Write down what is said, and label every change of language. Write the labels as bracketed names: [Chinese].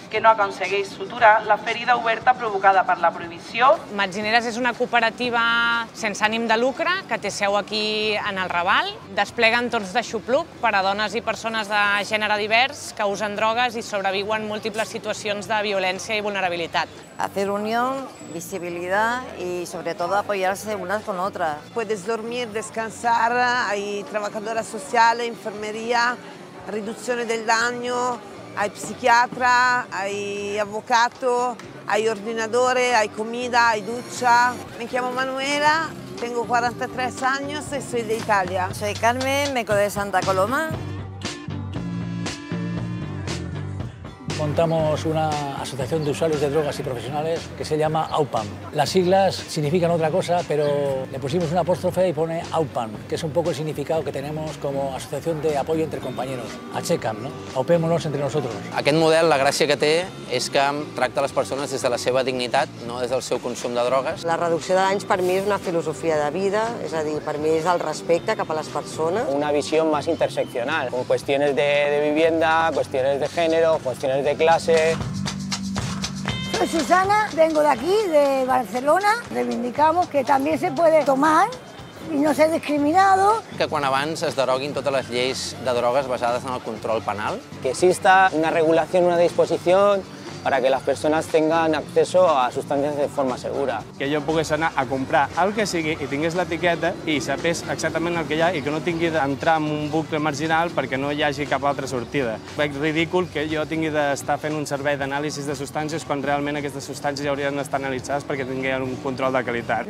[Catalan] Que no aconsegueix suturar la ferida oberta provocada per la prohibició. Metgineres és una cooperativa sense ànim de lucre que té seu aquí en el Raval. Desplega entorns de xupluc per a dones i persones de gènere divers que usen drogues i sobreviuen múltiples situacions de violència i vulnerabilitat. [Spanish] Hacer unión, visibilidad y sobre todo apoyarse unas con otras. Puedes dormir, descansar, hay trabajadora social, enfermería, reducción del daño, hay psiquiatra, hay abogado, hay ordenador, hay comida, hay ducha. Me llamo Manuela, tengo 43 años y soy de Italia. Soy Carmen, me quedo de Santa Coloma. Montamos una asociación de usuarios de drogas y profesionales que se llama AUPAM. Las siglas significan otra cosa, pero le pusimos una apóstrofe y pone AUPAM, que es un poco el significado que tenemos como asociación de apoyo entre compañeros. Aixeca'm, ¿no? Aupémonos entre nosotros. [Catalan] Aquest model, la gràcia que té, és que tracta les persones des de la seva dignitat, no des del seu consum de drogues. La reducció de danys per mi és una filosofia de vida, és a dir, per mi és el respecte cap a les persones. Una visió més interseccional, [Spanish] con cuestiones de vivienda, cuestiones de género, cuestiones de clase. Soy Susana, vengo de aquí, de Barcelona. Reivindicamos que también se puede tomar y no ser discriminado. [Catalan] Que quan abans es deroguin totes les lleis de drogues basades en el control penal. [Spanish] Que exista una regulación, una disposición para que las personas tengan acceso a sustancias de forma segura. [Catalan] Que jo pogués anar a comprar el que sigui i tingués l'etiqueta i sapés exactament el que hi ha i que no tingui d'entrar en un bucle marginal perquè no hi hagi cap altra sortida. Veig ridícul que jo tingui d'estar fent un servei d'anàlisi de substàncies quan realment aquestes substàncies ja haurien d'estar analitzades perquè tinguin un control de qualitat.